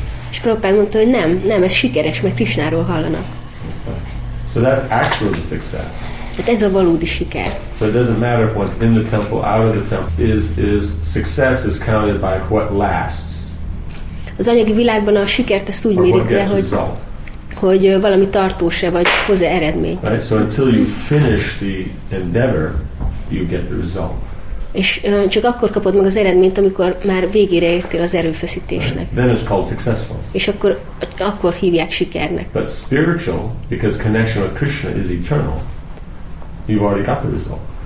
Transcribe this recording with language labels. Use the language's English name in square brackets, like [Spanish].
[Hungarian] És Prabhupád mondta, hogy nem, ez sikeres, mert Krishnáról hallanak. [English] So that's actual success. [Hungarian] Hát ez a valódi siker. [English] So it doesn't matter if one's in the temple, out of the temple. Is success is counted by what lasts. [Hungarian] Az anyagi világban a sikert ezt úgy mérik le, hogy valami tartós-e, vagy hoz-e eredményt. [English] Right? So until you finish the endeavor, you get the result. [Hungarian] És csak akkor kapod meg az eredményt, amikor már végére értél az erőfeszítésnek. [English] Right? Then it's called successful. [Hungarian] És akkor hívják sikernek. [English] But spiritual, because connection with Krishna is eternal, you've already got the result.